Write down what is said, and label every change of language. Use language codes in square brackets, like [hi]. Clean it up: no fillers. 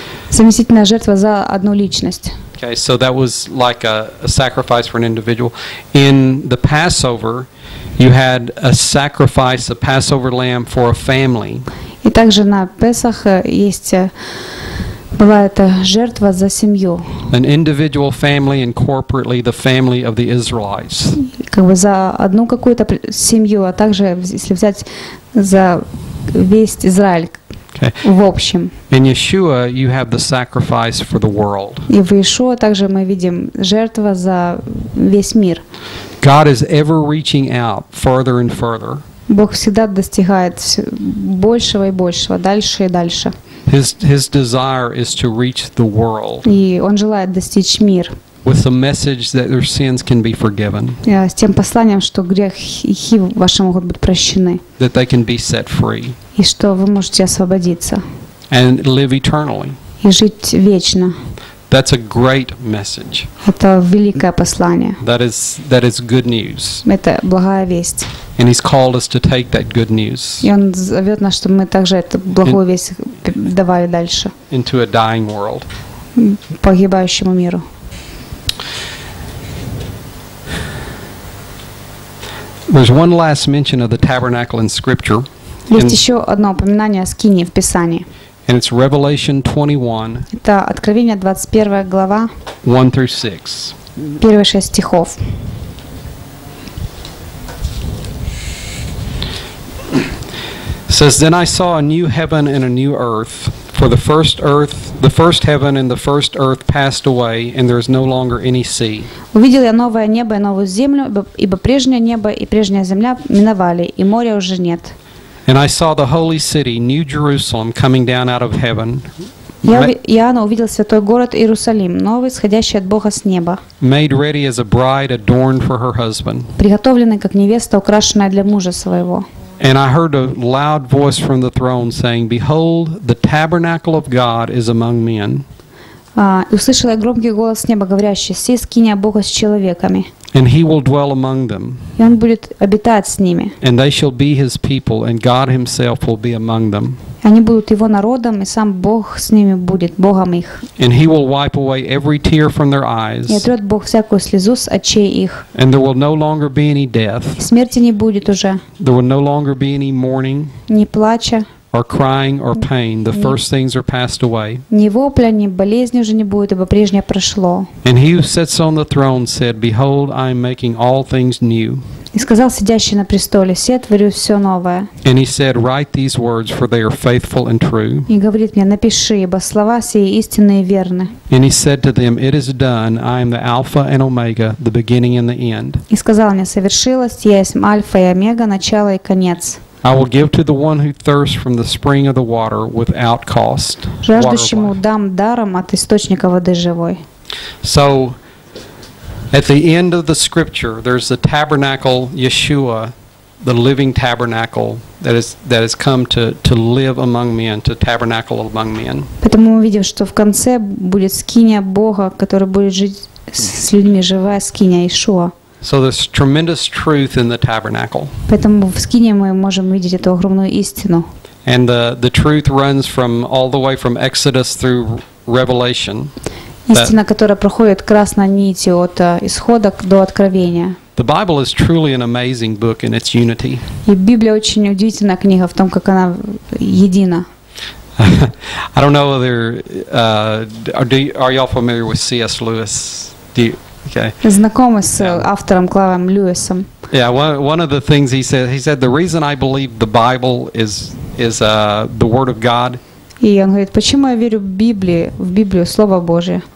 [ru] Заместительная жертва за одну личность. [en] Okay, so that was like a sacrifice for an individual. In the Passover, you had a sacrifice, a Passover lamb for a family. [ru] И также на Песах есть была эта жертва за семью. [en] An individual family and corporately the family of the Israelites. [ru] Как бы за одну какую-то семью, а также если взять за весь Израиль. Okay. В общем. [en] In Yeshua you have the sacrifice for the world. [ru] И в Иешуа также мы видим жертва за весь мир. [en] God is ever reaching out further and further. [ru] Бог всегда достигает большего и большего, дальше и дальше. [en] His desire is to reach the world. [ru] И он желает достичь мир. [en] With the message that their sins can be forgiven. [ru] С тем посланием, что грехи ваши могут быть прощены. [en] That they can be set free. [ru] И что вы можете освободиться. [en] And live eternally. [ru] И жить вечно. [en] That's a great message. [ru] Это великое послание. [en] That is good news. [ru] Это благая весть. [en] And he's called us to take that good news. [ru] И он зовет нас, чтобы мы также эту благую весть давали дальше. [en] Into a dying world. [ru] Погибающему миру. [en] There's one last mention of the tabernacle in Scripture. [ru] Есть еще одно упоминание о скинии в Писании. [en] And it's Revelation 21. [ru] Это Откровение 21 глава. [en] 1 through 6. [ru] Первые 6 стихов. [en] Says, then I saw a new heaven and a new earth, for the first heaven and the first earth passed away, and there is no longer any sea. [ru] Увидел я новое небо и новую землю, ибо прежнее небо и прежняя земля миновали, и моря уже нет. [en] And I saw the holy city, New Jerusalem, coming down out of heaven. [ru] Я увидел святой город Иерусалим, новый, сходящий от Бога с неба. [en] Made ready as a bride adorned for her husband. [ru] Приготовленный как невеста, украшенная для мужа своего. [en] And I heard a loud voice from the throne saying, behold, the tabernacle of God is among men. [ru] Услышал я громкий голос с неба, говорящий, сей скиния Бога с человеками. [en] And he will dwell among them. [ru] И он будет обитать с ними. [en] And they shall be his people, and God himself will be among them. [ru] Они будут его народом, и сам Бог с ними будет, Богом их. [en] And he will wipe away every tear from their eyes. [ru] И отрет Бог всякую слезу с очей их. [en] And there will no longer be any death. [ru] И смерти не будет уже. [en] There will no longer be any mourning. [ru] Ни плача. [en] Or crying or pain, the first things are passed away. [ru] Ни вопля, ни болезни уже не будет, ибо прежнее прошло. [en] And he who sits on the throne said, behold, I am making all things new. [ru] И сказал сидящий на престоле: «Се, творю все новое». [en] And he said, write these words, for they are faithful and true. [ru] И говорит мне: «Напиши, ибо слова сии истинны и верны». [en] And he said to them, it is done. I am the Alpha and Omega, the beginning and the end. [ru] И сказал мне: «Совершилось, я есть Альфа и Омега, начало и конец». [en] I will give to the one who thirsts from the spring of the water without cost. [ru] Жаждущему дам даром от источника воды живой. [en] So, at the end of the scripture, there's the tabernacle, Yeshua, the living tabernacle that has come to live among men, to tabernacle among men. [ru] Поэтому мы видим, что в конце будет скиния Бога, которая будет жить с людьми, живая скиния Иешуа. [en] So there's tremendous truth in the tabernacle. [ru] Поэтому в скинии мы можем видеть эту огромную истину. [en] And the truth runs from all the way from Exodus through Revelation. [ru] Истина, которая проходит красной нитью от исхода до откровения. [en] The Bible is truly an amazing book in its unity. [ru] И Библия очень удивительная книга в том, как она едина. [en] I don't know whether are y'all familiar with C.S. Lewis? Okay. [ru] Знакомы с автором Клавом Льюисом. [en] Yeah, one of the things he said the reason I believe the Bible is the word of God. [ru] И он говорит, почему я верю в Библию, Слово Божие.